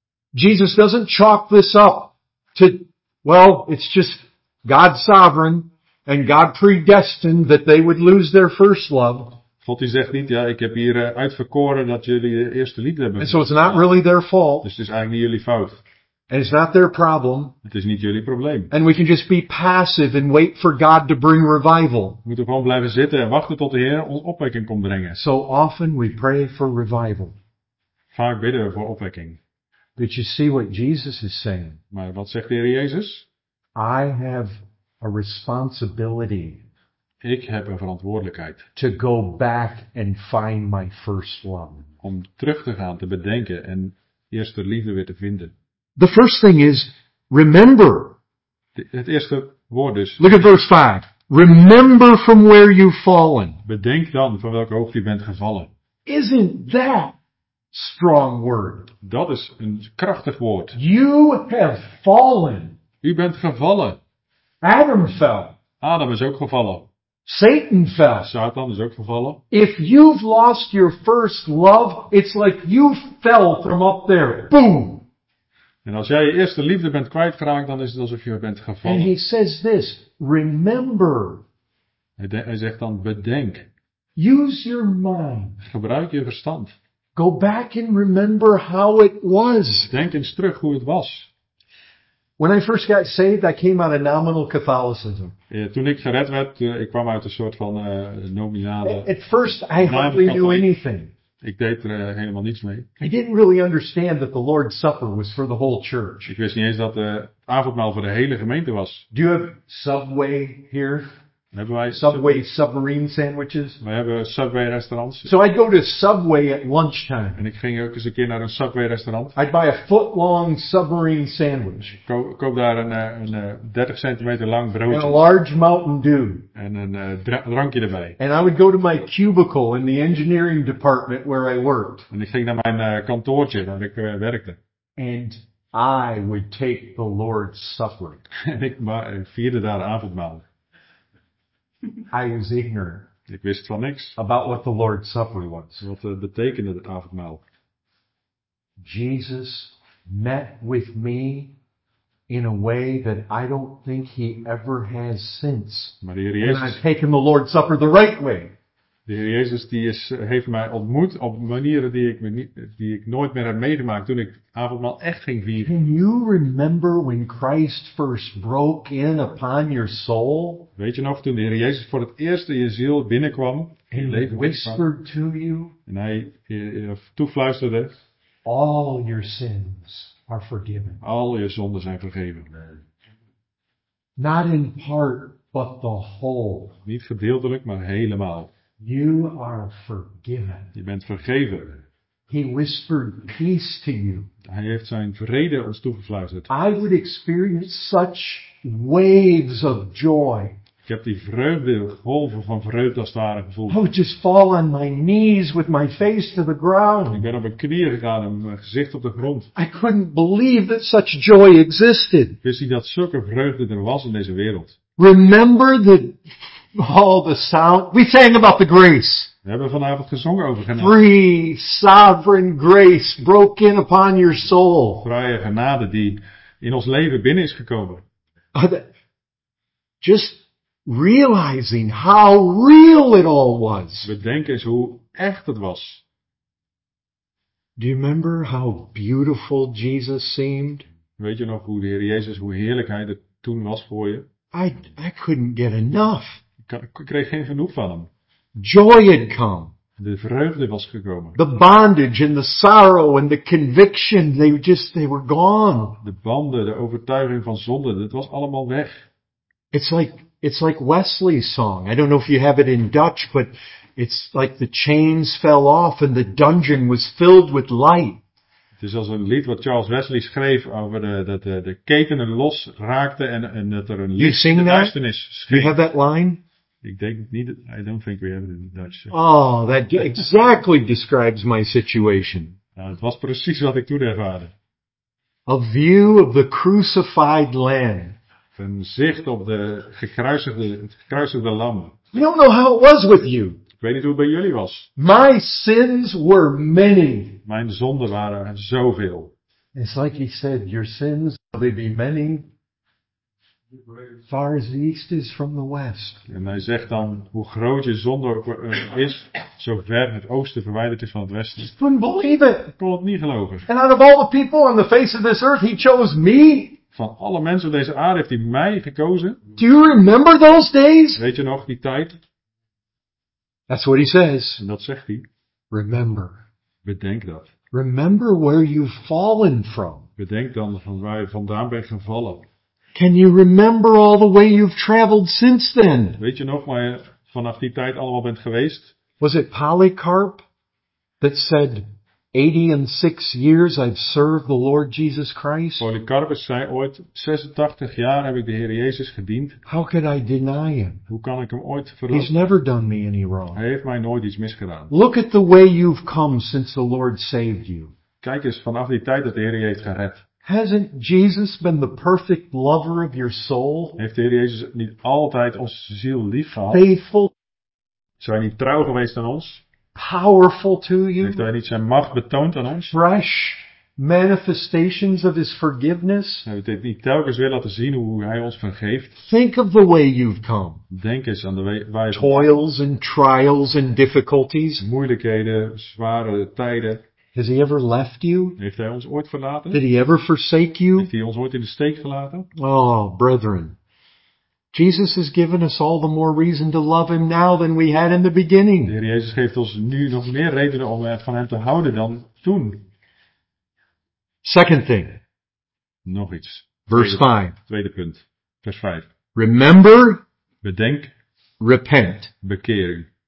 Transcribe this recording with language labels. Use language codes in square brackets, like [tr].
[en] Jesus doesn't chalk this up to, well, it's just God's sovereign and God predestined that they would lose their first love. [nl] God die zegt niet, ja, ik heb hier uitverkoren dat jullie de eerste liefde hebben. [en] And so it's not really their fault. [nl] Dus het is eigenlijk niet jullie fout. [en] And it's not their problem. [nl] Het is niet jullie probleem. [en] And we can just be passive and wait for God to bring revival. [nl] We moeten gewoon blijven zitten en wachten tot de Heer ons opwekking komt brengen. [en] So often we pray for revival. [nl] Vaak bidden we voor opwekking. [en] But you see what Jesus is saying. [nl] Maar wat zegt de Heer Jezus? [en] I have a responsibility. [nl] Ik heb een verantwoordelijkheid. [en] To go back and find my first love. [nl] Om terug te gaan, te bedenken en eerste liefde weer te vinden. [en] The first thing is remember. [nl] Het eerste woord is. [en] Look at verse 5. Remember from where you've fallen. [nl] Bedenk dan van welke hoogte je bent gevallen. [en] Isn't that strong word? [nl] Dat is een krachtig woord. [en] You have fallen. [nl] U bent gevallen. [en] Adam fell. [nl] Adam is ook gevallen. [en] Satan fell. [nl] Satan is ook gevallen. [en] If you've lost your first love, it's like you fell from up there. Boom. [nl] En als jij je eerste liefde bent kwijtgeraakt, dan is het alsof je bent gevallen. [en] And he says this, remember. [nl] Hij zegt dan bedenk. [en] Use your mind. [nl] Gebruik je verstand. [en] Go back and remember how it was. [nl] Denk eens terug hoe het was. [en] When I first got saved, I came out of nominal Catholicism. [nl] Ja, toen ik gered werd, ik kwam uit een soort van nominale. [en] At first, I hardly knew anything. [nl] Ik deed er helemaal niets mee. [en] I didn't really understand that the Lord's Supper was for the whole church. [nl] Ik wist niet eens dat de avondmaal voor de hele gemeente was. [en] Do you have Subway here? [nl] Hebben wij [en] Subway submarine sandwiches? [nl] We hebben Subway restaurants. [en] So I'd go to Subway at lunchtime. [nl] En ik ging ook eens een keer naar een Subway restaurant. [en] I'd buy a foot long submarine sandwich. [nl] Koop daar een 30 centimeter lang broodje. [en] And a large Mountain Dew. [nl] En een drankje erbij. [en] And I would go to my cubicle in the engineering department where I worked. [nl] En ik ging naar mijn kantoortje waar ik werkte. [en] And I would take the Lord's Supper. [nl] En ik vierde daar avondmaal. [en] I was ignorant. [nl] Ik wist van niks. [en] About what the Lord's Supper was. [nl] Wat betekende het avondmaal? [en] Jesus met with me in a way that I don't think he ever has since. [nl] Maar de Heer Jezus, [en] and I've taken the Lord's Supper the right way. [nl] De Heer Jezus heeft mij ontmoet op manieren die ik nooit meer heb meegemaakt toen ik avondmaal echt ging vieren. [en] Can you remember when Christ first broke in upon your soul? [nl] Weet je nog toen de Heer Jezus voor het eerst in je ziel binnenkwam? [en] And [nl] leven [en] whispered to you. [nl] En hij toefluisterde. [en] All your sins are forgiven. [nl] Al je zonden zijn vergeven. [en] Not in part, but the whole. [nl] Niet gedeeltelijk, maar helemaal. [en] You are forgiven. [nl] Je bent vergeven. [en] He whispered peace to you. [nl] Hij heeft zijn vrede ons toegefluisterd. [en] I would experience such waves of joy. [nl] Ik heb die vreugde, golven van vreugde als het ware gevoeld. [en] I would just fall on my knees with my face to the ground. [nl] Ik ben op mijn knieën gegaan en mijn gezicht op de grond. [en] I couldn't believe that such joy existed. [nl] Wist hij dat zulke vreugde er was in deze wereld? [en] Remember the all the sound we sang about the grace. [nl] We hebben vanavond gezongen over genade. [en] Free sovereign grace broke in upon your soul. [nl] Vrije genade die in ons leven binnen is gekomen. [en] Just realizing how real it all was. [nl] Bedenk eens hoe echt het was. [en] Do you remember how beautiful Jesus seemed? [nl] Weet je nog hoe de Heer Jezus, hoe heerlijk hij er toen was voor je? [en] I couldn't get enough. [nl] Ik kreeg geen genoeg van hem. [en] Joy had come. [nl] De vreugde was gekomen. [en] The bondage and the sorrow and the conviction, they were gone. [nl] De banden, de overtuiging van zonde, dat was allemaal weg. [en] It's like Wesley's song. I don't know if you have it in Dutch, but it's like the chains fell off and the dungeon was filled with light. [nl] Het is als een lied wat Charles Wesley schreef over dat de ketenen los raakten en dat er een licht in de duisternis schreef. [en] You have that line? [nl] Ik denk niet, [en] I don't think we have it in Dutch. Oh, that exactly describes my situation. [nl] Nou, het was precies wat ik toen ervaarde. [en] A view of the crucified lamb. [nl] Een zicht op het gekruisigde lam. [en] We don't know how it was with you. [nl] Ik weet niet hoe het bij jullie was. [en] My sins were many. [nl] Mijn zonden waren zoveel. [en] It's like he said, your sins will be many. Far as the east is from the west. [nl] En hij zegt dan, hoe groot je zonde is, zo ver het oosten verwijderd is van het westen. [en] Just couldn't believe it. [nl] Ik kon het niet geloven. [en] And out of all the people on the face of this earth, he chose me. [nl] Van alle mensen op deze aarde heeft hij mij gekozen. [en] Do you remember those days? [nl] Weet je nog, die tijd? [en] That's what he says. [nl] En dat zegt hij. [en] Remember. [nl] Bedenk dat. [en] Remember where you've fallen from. [nl] Bedenk dan van waar je vandaan bent gevallen. [en] Can you remember all the way you've traveled since then? [nl] Weet je nog waar je vanaf die tijd allemaal bent geweest? [en] Was it Polycarp that said, 86 years I've served the Lord Jesus Christ? [nl] Polycarpus zei ooit, 86 jaar heb ik de Heer Jezus gediend. [en] How could I deny him? [nl] Hoe kan ik hem ooit verlaten? [en] He's never done me any wrong. [nl] Hij heeft mij nooit iets misgedaan. [en] Look at the way you've come since the Lord saved you. [nl] Kijk eens vanaf die tijd dat de Heer je heeft gered. [en] Hasn't Jesus been the perfect lover of your soul? [nl] Heeft de Heer Jezus niet altijd onze ziel lief gehad? [en] Faithful. [nl] Is hij niet trouw geweest aan ons? [en] Powerful to you. [nl] Heeft hij niet zijn macht betoond aan ons? [en] Fresh manifestations of his forgiveness. [nl] Heeft hij niet telkens weer laten zien hoe hij ons vergeeft? [en] Think of the way you've come. [nl] Denk eens aan de waar je [en] toils and trials and difficulties. [nl] Moeilijkheden, zware tijden. [en] Has he ever left you? [nl] Heeft hij ons ooit verlaten? [en] Did he ever forsake you? [nl] Heeft hij ons ooit in de steek gelaten? [en] Oh, brethren. Jesus has given us all the more reason to love him now than we had in the beginning. [nl] De Heer Jezus geeft ons nu nog meer redenen om van hem te houden dan toen. [en] Second thing. [nl] Nog iets. [en] Verse 5. [nl] Tweede punt. Vers 5. [en] Remember. [nl] Bedenk. [en] Repent. [nl] Bekeer u.